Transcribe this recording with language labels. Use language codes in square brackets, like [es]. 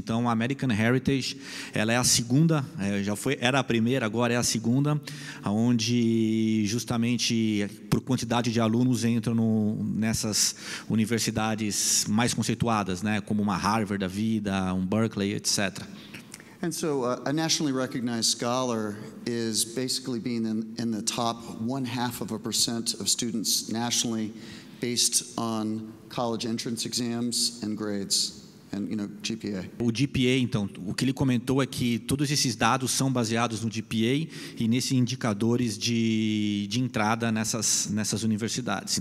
[pt] Então, a American Heritage, ela é a segunda, era a primeira, agora é a segunda, onde justamente por quantidade de alunos entram nessas universidades mais conceituadas, né, como uma Harvard da vida, um Berkeley, etc. [en] And so a nationally recognized scholar is basically being in the top 0.5% of students nationally based on college entrance exams and grades. And, you know, GPA. [pt] O GPA, então, o que ele comentou é que todos esses dados são baseados no GPA e nesses indicadores de entrada nessas universidades.